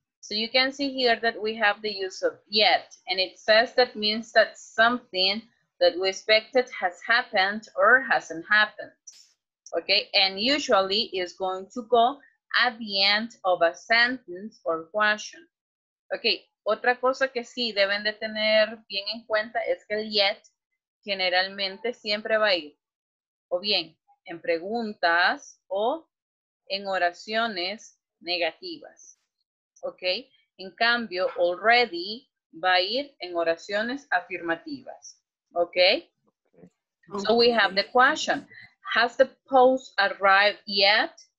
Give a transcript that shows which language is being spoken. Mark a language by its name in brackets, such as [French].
[English] So you can see here that we have the use of yet, and it says that means that something that we expected has happened or hasn't happened. Okay, and usually is going to go at the end of a sentence or question. [Spanish] Okay, otra cosa que sí deben de tener bien en cuenta es que el yet generalmente siempre va a ir o bien en preguntas o en oraciones negativas. Ok, en cambio, already va a ir en oraciones afirmativas. [English] Okay? Ok, so we have the question: has the post arrived yet?